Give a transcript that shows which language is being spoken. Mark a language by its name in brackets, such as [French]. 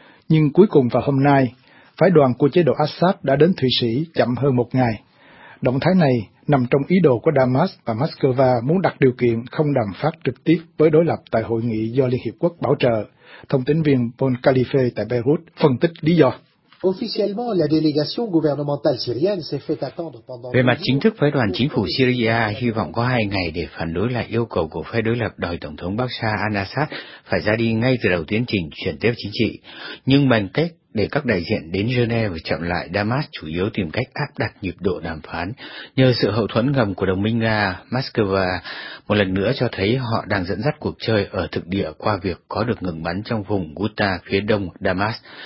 [Vietnamese] Nhưng cuối cùng vào hôm nay, phái đoàn của chế độ Assad đã đến Thụy Sĩ chậm hơn một ngày. Động thái này nằm trong ý đồ của Damas và Moscow muốn đặt điều kiện không đàm phán trực tiếp với đối lập tại hội nghị do Liên Hiệp Quốc bảo trợ. Thông tin viên Paul Calife tại Beirut phân tích lý do. [French] Officiellement, la délégation gouvernementale syrienne s'est fait attendre pendant. [Vietnamese] Về mặt chính thức, phái đoàn chính phủ Syria hy vọng có hai ngày để phản đối lại yêu cầu của phe đối lập đòi tổng thống Bashar al-Assad phải ra đi ngay từ đầu tiến trình chuyển tiếp chính trị. Nhưng bằng cách để các đại diện đến Geneva chậm lại, Damascus chủ yếu tìm cách áp đặt nhịp độ đàm phán nhờ sự hậu thuẫn ngầm của đồng minh Nga, Moscow một lần nữa cho thấy họ đang dẫn dắt cuộc chơi ở thực địa qua việc có được ngừng bắn trong vùng Ghouta phía đông Damascus.